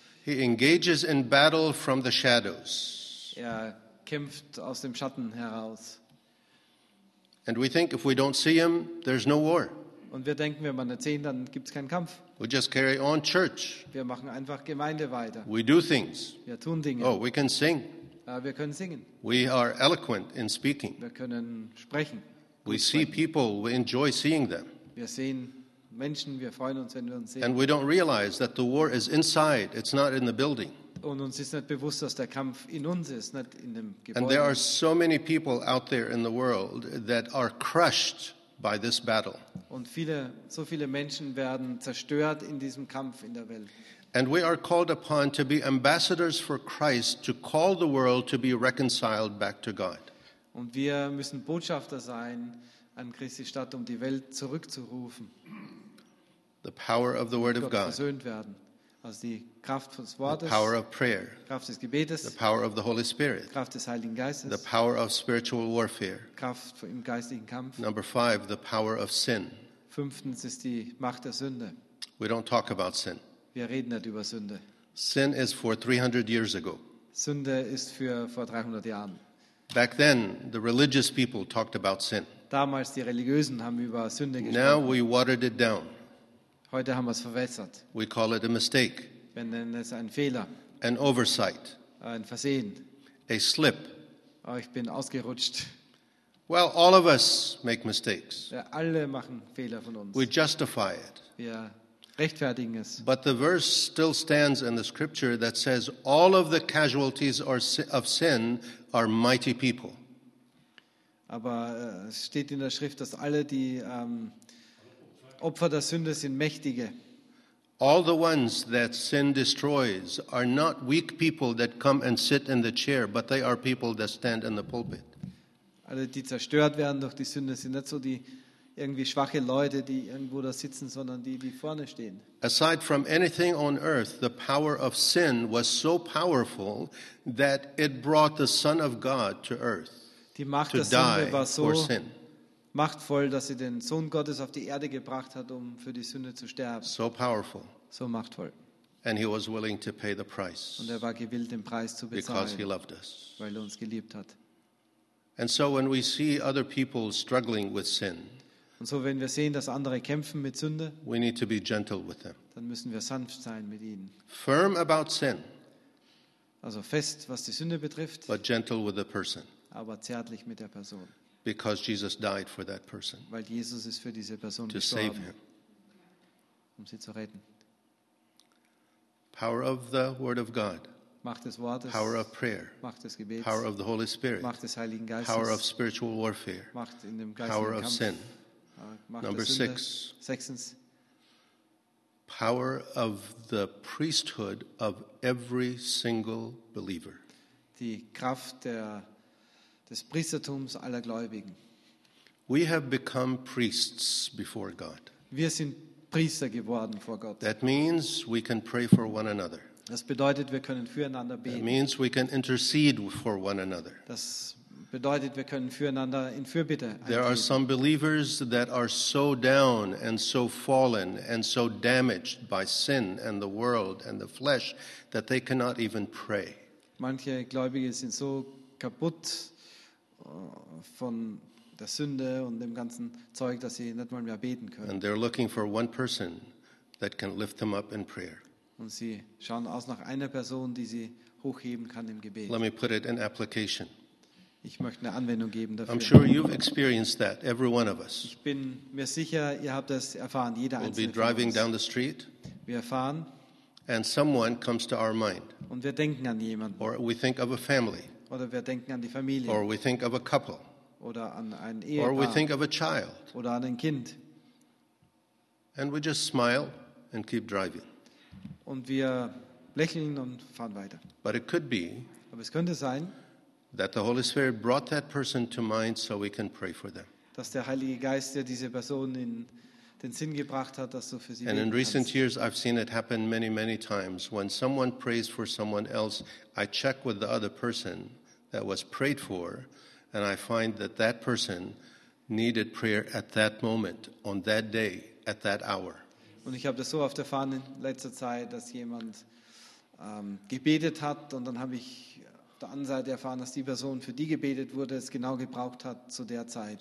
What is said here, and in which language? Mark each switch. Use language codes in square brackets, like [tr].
[en] He engages in battle from the shadows. [de] Er kämpft aus dem Schatten heraus. [en] And we think if we don't see him, there's no war. [de] Und wir denken, wenn wir nicht sehen, dann gibt es keinen Kampf. [en] We just carry on church. [de] Wir machen einfach Gemeinde weiter. [en] We do things. [de] Wir tun Dinge. [en] Oh, we can sing. [de] Wir können singen. [en] We are eloquent in speaking. [de] Wir können sprechen. [en] We see people. We enjoy seeing them. [de] Wir sehen Menschen. Wir freuen uns, wenn wir uns sehen. [en] And we don't realize that the war is inside. It's not in the building. [de] Und uns ist nicht bewusst, dass der Kampf in uns ist, nicht in dem Gebäude. [en] And there are so many people out there in the world that are crushed by this battle. [de] Und viele, so viele Menschen werden zerstört in diesem Kampf in der Welt. [en] And we are called upon to be ambassadors for Christ, to call the world to be reconciled back to God. [de] Und wir müssen Botschafter sein an Christi Stadt, um die Welt zurückzurufen. [en] The power of the Word of God. [de] Versöhnt werden. Also die Kraft des Wortes, [en] the power of prayer, [de] Kraft des Gebetes, [en] the power of the Holy Spirit, [de] Kraft des Heiligen Geistes, [en] the power of spiritual warfare, [de] Kraft im geistlichen Kampf. [en] Number 5, the power of sin. [de] Fünftens ist die Macht der Sünde. [en] We don't talk about sin. [de] Wir reden nicht über Sünde. [en] Sin is for 300 years ago. [de] Sünde ist für vor 300 Jahren. [en] Back then, the religious people talked about sin. [de] Damals die Religiösen haben über Sünde gesprochen. [en] Now we watered it down. [de] Heute haben wir es verwässert. [en] We call it a mistake. [de] Wir nennen es einen Fehler. [en] An oversight. [de] Ein Versehen. [en] A slip. [de] Oh, ich bin ausgerutscht. [en] Well, all of us make mistakes. [de] Ja, alle machen Fehler von uns. [en] We justify it. [de] Wir rechtfertigen es. [en] But the verse still stands in the scripture that says all of the casualties of sin are mighty people. [de] Aber es steht in der Schrift, dass alle die Opfer der Sünde sind mächtige. [en] All the ones that sin destroys are not weak people that come and sit in the chair, but they are people that stand in the pulpit. [de] Alle, die zerstört werden durch die Sünde, sind nicht so die irgendwie schwache Leute, die irgendwo da sitzen, sondern die, die vorne stehen. [en] Aside from anything on earth, the power of sin was so powerful that it brought the Son of God to earth. [de] Die Macht der Sünde war so machtvoll, dass sie den Sohn Gottes auf die Erde gebracht hat, um für die Sünde zu sterben. [en] So powerful. [de] So machtvoll. [en] And he was willing to pay the price. [de] Und er war gewillt, den Preis zu bezahlen. [en] Because he loved us. [de] Weil er uns geliebt hat. [en] And so when we see other people struggling with sin. [de] Und so wenn wir sehen, dass andere kämpfen mit Sünde. [en] We need to be gentle with them. [de] Dann müssen wir sanft sein mit ihnen. [en] Firm about sin. [de] Also fest, was die Sünde betrifft. [en] But gentle with the person. [de] Aber zärtlich mit der Person. [en] Because Jesus died for that person. [de] Weil Jesus ist für diese Person gestorben. [en] To save him. [de] Um sie zu retten. [en] Power of the Word of God. [de] Macht des Wortes. [en] Power of prayer. [de] Macht des Gebets. [en] Power of the Holy Spirit. [de] Macht des Heiligen Geistes. [en] Power of spiritual warfare. [de] Macht in dem geistlichen [en] Power [de] Kampf. [en] Of sin. Number 6. [de] Sechstens. [en] Power of the priesthood of every single believer. [de] Die Kraft der des Priestertums aller Gläubigen. [en] We have become priests before God. [de] Wir sind Priester geworden vor Gott. [en] That means we can pray for one another. [de] Das bedeutet, wir können füreinander beten. [en] That means we can intercede for one another. [de] Das bedeutet, wir können füreinander in Fürbitte eintreten. [en] There are some believers that are so down and so fallen and so damaged by sin and the world and the flesh that they cannot even pray. [de] Manche Gläubige sind so kaputt von der Sünde und dem ganzen Zeug, dass sie nicht mal mehr beten können. [en] And they're looking for one person that can lift them up in prayer. [de] Und sie schauen aus nach einer Person, die sie hochheben kann im Gebet. [en] Let me put it in application. [de] Ich möchte eine Anwendung geben dafür. [en] I'm sure you've experienced that, every one of us. [de] Ich bin mir sicher, ihr habt das erfahren, jeder einzelne. [en] We'll be driving down the street. [de] Wir fahren. [en] And someone comes to our mind. [de] Und wir denken an jemanden. [en] Or we think of a family. [de] Oder wir denken an die Familie. [en] Or we think of a couple. [de] Oder an ein Ehepaar. [en] Or we think of a child. [de] Oder an ein Kind. [en] And we just smile and keep driving. [de] Und wir lächeln und fahren weiter. [en] But it could be. [de] Aber es könnte sein. [en] That the Holy Spirit brought that person to mind, so we can pray for them. [de] Dass der Heilige Geist dir diese Person in den Sinn gebracht hat, dass du für sie. [en] And in recent years, I've seen it happen many, many times. When someone prays for someone else, I check with the other person that was prayed for, and I find that that person needed prayer at that moment, on that day, at that hour. [de] Und ich habe das so oft erfahren in letzter Zeit, dass jemand gebetet hat, und dann habe ich auf der anderen Seite erfahren, dass die Person, für die gebetet wurde, es genau gebraucht hat zu der Zeit.